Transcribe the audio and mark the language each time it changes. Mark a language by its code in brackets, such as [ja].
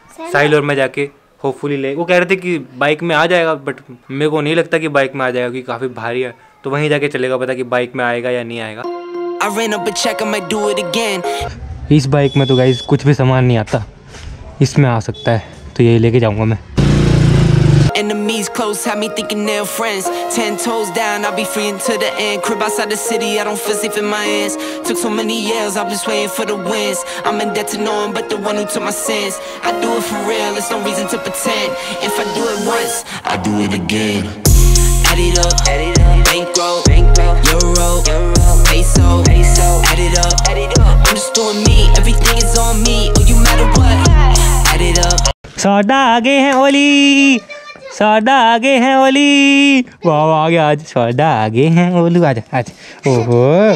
[hi] साहिल और मैं जाके होपफुली ले, वो कह रहे थे कि बाइक में आ जाएगा, बट मेरे को नहीं लगता कि बाइक में आ जाएगा क्योंकि काफ़ी भारी है, तो वहीं जाके चलेगा पता कि बाइक में आएगा या नहीं आएगा। इस बाइक में तो गाइस कुछ भी सामान नहीं आता, इसमें आ सकता है तो ये लेके जाऊंगा मैं। [en] Enemies close, have me thinking they're friends. 10 toes down, I'll be free until the end. Crib outside the city, I don't feel safe in my hands. Took so many years, I'm just waiting for the wins. I'm in debt to no one but the one who took my sins. I do it for real, there's no reason to pretend. If I do it once, I do it again. Add it up, add it up. Bankroll, bankroll, euro, euro, peso, peso. Add it up, I'm just doing me. Everything is on me, oh you matter what. Add it up. So, da, again, Oli. [hi] Sharda आगे हैं ओली, वाह वाह आ गया आज शारदा आगे हैं ओलू आज आज ओहो